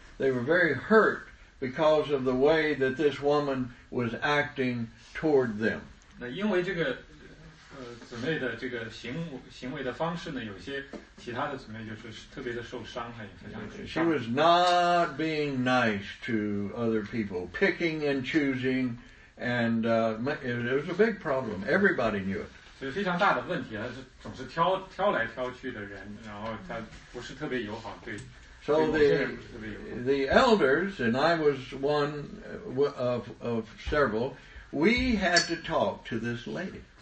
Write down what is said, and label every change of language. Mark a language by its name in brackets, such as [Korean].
[English] They were very hurt because of the way that this woman was acting toward them. [Chinese] 那因为这个姊妹的这个行为的方式呢，有些其他的姊妹就是特别的受伤，也非常沮丧。 [English] She was not being nice to other people, picking and choosing, and it was a big problem. Everybody knew it. [Chinese] 所以非常大的问题，她是总是挑来挑去的人，然后她不是特别友好，对。 [English] So the elders, and I was one of several, we had to talk to this lady.